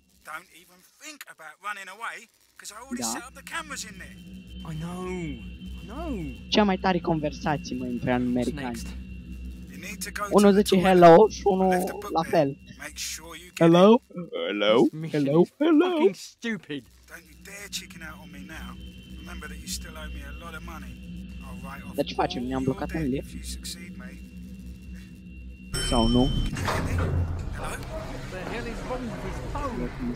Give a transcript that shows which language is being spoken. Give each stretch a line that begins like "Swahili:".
English: Don't even think about running away, because I already set up the cameras in there. I know. I know.
Romanian: Cea mai tare conversație, mă, între americani. Unul zice hello și unul la fel.
English: Hello? Hello? Hello? Hello? Fucking stupid. Don't you dare chicken out on me now. Remember that you still owe me a lot of money.
Romanian: Dar ce facem? Ne-am blocat în lift? Sau nu?
English: Hello? What the hell is wrong with his phone?